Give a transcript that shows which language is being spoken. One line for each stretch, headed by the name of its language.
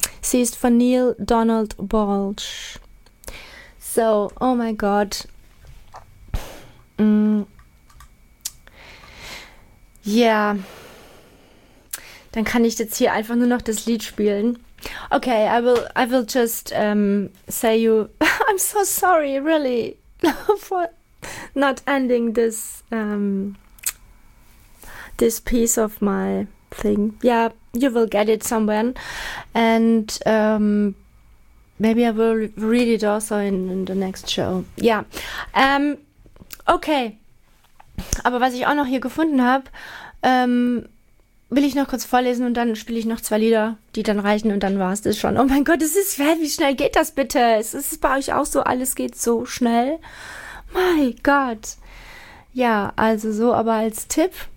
German: Sie ist von Neil Donald Walsh. So, oh mein Gott. Ja. Yeah. Dann kann ich jetzt hier einfach nur noch das Lied spielen.
English: Okay, I will just say you. I'm so sorry, really, for not ending this this piece of my thing. Yeah, you will get it somewhere, and maybe I will read it also in the next show. Yeah. Okay.
German: Aber was ich auch noch hier gefunden habe, will ich noch kurz vorlesen und dann spiele ich noch zwei Lieder, die dann reichen und dann war es das schon. Oh mein Gott, es ist fair, wie schnell geht das bitte? Es ist bei euch auch so, alles geht so schnell. Mein Gott. Ja, also so, aber als Tipp.